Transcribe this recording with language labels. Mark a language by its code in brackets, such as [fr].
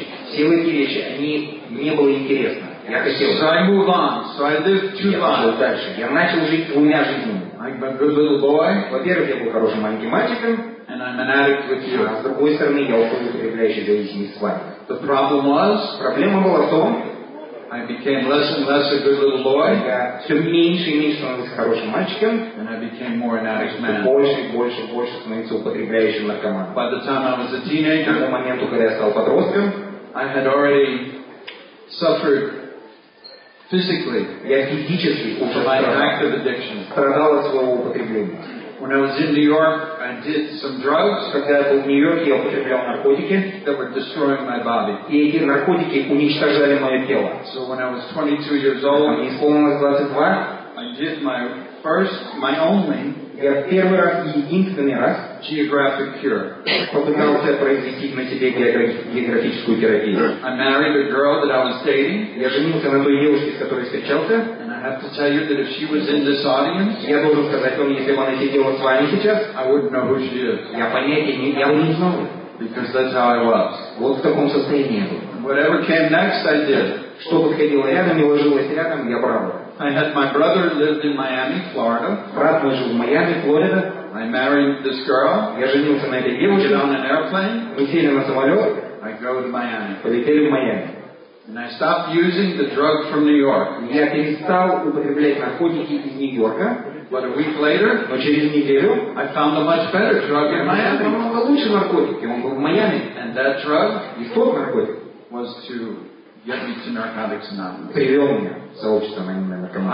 [ru] все эти вещи, они мне было интересно. Я хотел. [en] So I move on. So I live two lives. [ru] Я пошел дальше. Я начал жить двумя жизнями. [en] I'm a good little boy. [ru] Во-первых, я был хорошим маленьким мальчиком. [en] And I'm an addict with you. [ru] А с другой стороны, я употребляющий зависимость с вами. [en] The problem was. [ru] Проблема была в том. [en] I became less and less a good little boy. [ru] Все меньше и меньше становился хорошим мальчиком. [en] And I became more an addict man. [ru] Больше и больше становился употребляющим наркоманом. [en] By the time I was a teenager. [ru] К тому моменту, когда я стал подростком. [en] I had already suffered physically. [ru] Я физически уже страдал от своего употребления. [en] When I was in New York, I did some drugs. [ru] Когда я был в Нью-Йорке, я употреблял наркотики. [en] That were destroying my body. [ru] И эти наркотики уничтожали мое тело. [en] So when I was 22 years old, [ru] мне исполнилось 22. [en] I did my only. [ru] Я первый раз и единственный раз [en] geographic cure. [ru] Попытался произвести на себе географическую терапию. [en] I married a girl that I was dating. [ru] Я женился на той девушке, с которой встречался. [en] And I have to tell you that if she was in this audience, [ru] я должен сказать вам, если бы она сидела с вами сейчас, [en] I wouldn't know who she is. [ru] Я понятия не, я бы не знал. [en] Because that's how I was. [ru] Вот в таком состоянии я был. [en] Whatever came next, I did. [ru] Что подходило рядом и ложилось рядом, я брал. [en] I had my brother lived in Miami, Florida. [ru] Брат мой жил в Майами, Флорида. [en] I married this girl. [ru] Я женился на этой девушке. [en] Get on an airplane. [ru] Мы сели на самолет. [en] I go to Miami. [ru] Полетели в Майами. [en] And I stopped using the drug from New York. [ru] Я перестал употреблять наркотики из Нью-Йорка. [en] But a week later, [ru] но через неделю, [en] I found a much better drug in Miami. [ru] Он был лучше наркотики. Он был в Майами. [en] And that drug, [ru] и тот наркотик, [en] was to get me to Narcotics Anonymous. [ru] Привел меня. Сообщество анонимных наркоманов.